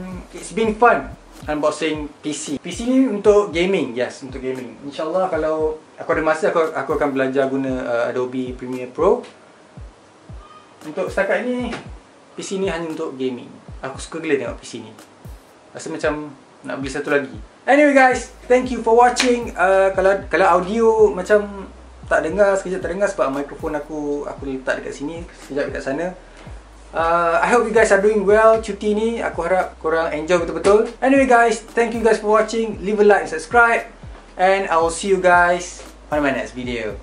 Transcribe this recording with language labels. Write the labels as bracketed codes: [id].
[en] It's been fun unboxing PC. [ms] PC ni untuk gaming, yes, untuk gaming. InsyaAllah kalau aku ada masa, aku akan belajar guna Adobe Premiere Pro. Untuk setakat ni, PC ni hanya untuk gaming. Aku suka gila tengok PC ni. Rasa macam nak beli satu lagi. [en] Anyway guys, thank you for watching. [ms] Kalau audio macam tak dengar, sekejap tak dengar sebab mikrofon aku letak dekat sini, sekejap dekat sana. [en] I hope you guys are doing well [ms] cuti ni. Aku harap korang enjoy betul-betul. [en] Anyway guys, thank you guys for watching. Leave a like and subscribe. And I will see you guys on my next video.